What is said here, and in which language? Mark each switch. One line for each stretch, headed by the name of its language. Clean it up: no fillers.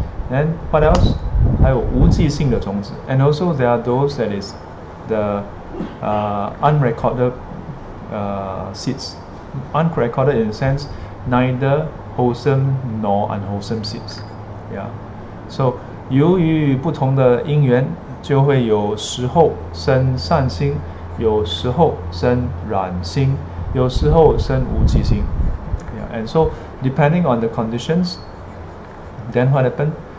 English: And what else?
Chinese: 还有无记性的种子.
English: And also there are those that is the unrecorded seeds. Unrecorded in the sense, neither wholesome nor unwholesome seeds. Yeah.
Chinese: So, 由于不同的因缘, 就会有时候生善心, 有时候生染心, 有时候生无记性.
English: Yeah. And so, depending on the conditions, then what happened?